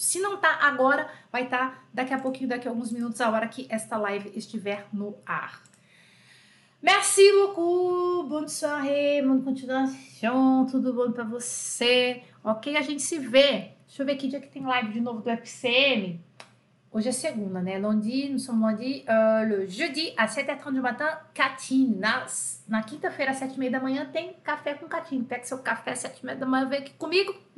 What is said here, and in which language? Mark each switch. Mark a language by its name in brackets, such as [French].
[Portuguese] Se não tá agora, vai estar daqui a pouquinho, daqui a alguns minutos, a hora que esta live estiver no ar. [French] Merci beaucoup, bonne soirée, bonne continuation, [Portuguese] tudo bom para você? Ok, a gente se vê. Deixa eu ver que dia que tem live de novo do FCM. Hoje é segunda, né? [French] Lundi, nous sommes lundi. Le jeudi, à 7h30 du matin, Catinas. [Portuguese] Na quinta-feira, às 7h30 da manhã, tem café com Catinho. Pega seu café às 7h30 da manhã, vem aqui comigo.